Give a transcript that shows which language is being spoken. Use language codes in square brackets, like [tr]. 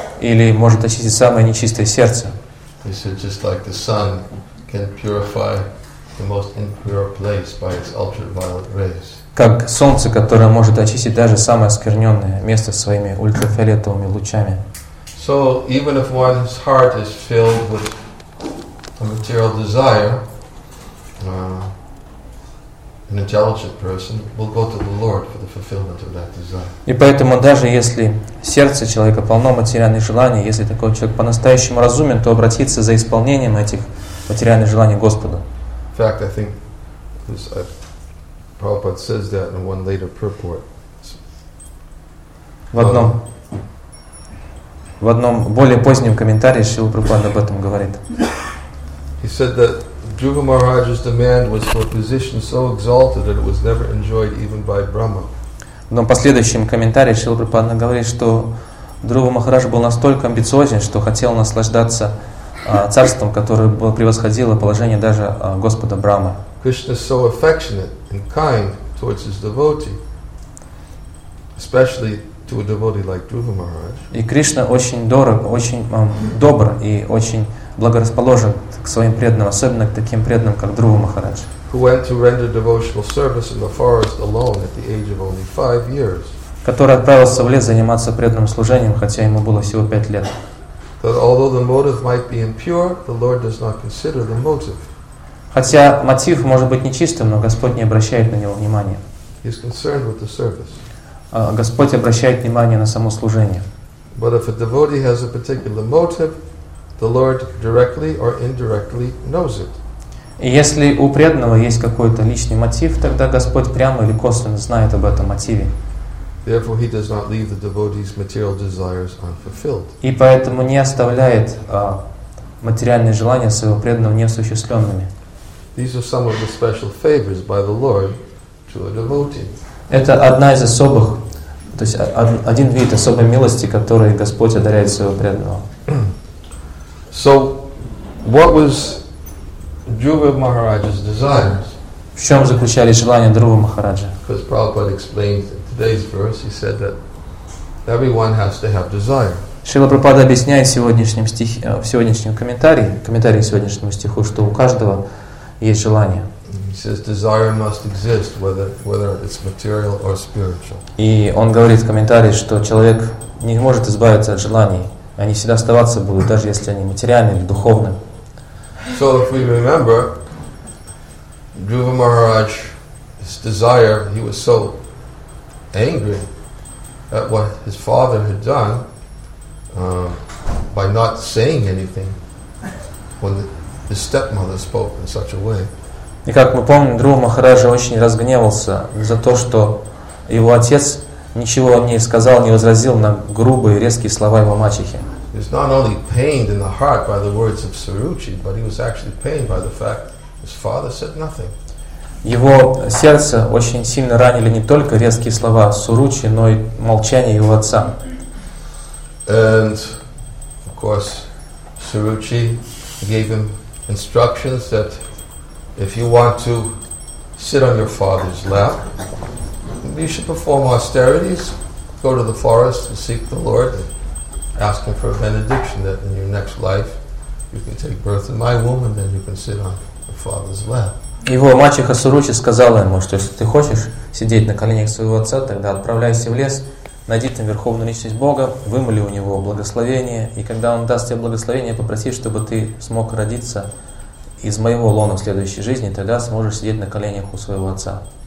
[ru] Или может очистить самое нечистое сердце. [en] He said just like the sun can purify the most impure place by its ultraviolet rays. [ru] Как солнце, которое может очистить даже самое оскверненное место своими ультрафиолетовыми лучами. [en] So even if one's heart is filled with a material desire, an intelligent person will go to the Lord for the fulfillment of that desire. [ru] И поэтому даже если сердце человека полно материальных желаний, если такой человек по-настоящему разумен, то обратиться за исполнением этих материальных желаний Господу. [en] In fact, I think this, Prabhupada says that in one later purport. [ru] В одном более позднем комментарии Шрила Прабхупада об этом говорит. [en] He said that Dhruva Maharaj's demand was for a position so exalted that it was never enjoyed even by Brahma. [ru] Но в последующем комментарии Шрила Прабхупада говорит, что Друва Махарадж был настолько амбициозен, что хотел наслаждаться царством, которое превосходило положение даже Господа Брахмы. [en] Krishna is so affectionate and kind towards his devotee, especially to a devotee like Dhruva Maharaj. [ru] И Кришна очень дорог, очень добр и очень благорасположен к своим преданным, особенно к таким преданным, как Друва Махарадж. [en] Who went to render devotional service in the forest alone at the age of only 5 years. [ru] Который отправился в лес заниматься преданным служением, хотя ему было всего 5 лет. [en] That although the motive might be impure, the Lord does not consider the motive. [ru] Хотя мотив может быть нечистым, но Господь не обращает на него внимания. [en] He is concerned with the service. [ru] Господь обращает внимание на само служение. [en] But if a devotee has a particular motive, the Lord directly or indirectly knows it. [ru] И если у преданного есть какой-то личный мотив, тогда Господь прямо или косвенно знает об этом мотиве. [en] Therefore, he does not leave the devotee's material desires unfulfilled. [ru] И поэтому не оставляет материальные желания своего преданного неосуществленными. [en] These are some of the special favors by the Lord to a devotee. [ru] Это одна из особых, то есть один вид особой милости, который Господь одаряет своего преданного. [en] So, what was Dhruva Maharaj's desires? [ru] В чем заключались желания Друвы Махараджа? [en] Because Prabhupada explained in today's verse, he said that everyone has to have desire. [ru] Шрила Прабхупада объясняет в сегодняшнем комментарии к сегодняшнему стиху, что у каждого есть желание. [en] He says desire must exist, whether it's material or spiritual. [ru] И он говорит в комментарии, что человек не может избавиться от желаний. Они всегда оставаться будут, даже если они материальные или духовные. [en] So if we remember, Dhruva Maharaj, his desire, he was so angry at what his father had done by not saying anything when his stepmother spoke in such a way. [ru] И как мы помним, Друва Махараджа очень разгневался за то, что его отец ничего не сказал, не возразил на грубые, резкие слова его мачехи. [en] He was not only pained in the heart by the words of Saruchi, but he was actually pained by the fact his father said nothing. [ru] Его сердце очень сильно ранили не только резкие слова Суручи, но и молчание его отца. [en] And of course, Saruchi gave him instructions that if you want to sit on your father's lap, you should perform austerities, go to the forest and seek the Lord and ask him for a benediction that in your next life you can take birth in my womb and then you can sit on your father's lap. [ru] Его мачеха Суручи сказала ему, что если ты хочешь сидеть на коленях своего отца, тогда отправляйся в лес, найди там верховную личность Бога, вымоли у него благословение, и когда он даст тебе благословение, попроси, чтобы ты смог родиться из моего лона в следующей жизни, тогда сможешь сидеть на коленях у своего отца.